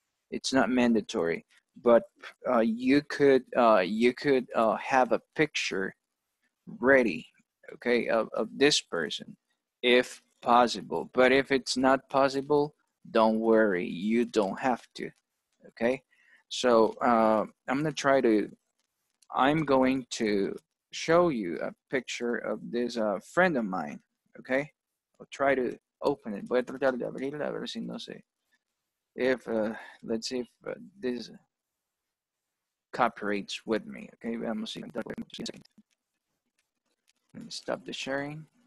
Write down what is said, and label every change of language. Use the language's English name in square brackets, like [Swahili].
[English] It's not mandatory. But you could have a picture ready, okay, of this person, if possible. But if it's not possible, don't worry. You don't have to. Okay, so I'm going to show you a picture of this friend of mine. Okay, I'll try to open it. [Spanish] Voy a tratar de abrirla a ver si no sé. [English] If let's see if this copyrights with me. Okay, [Spanish] vamos a ver. [English] Stop the sharing.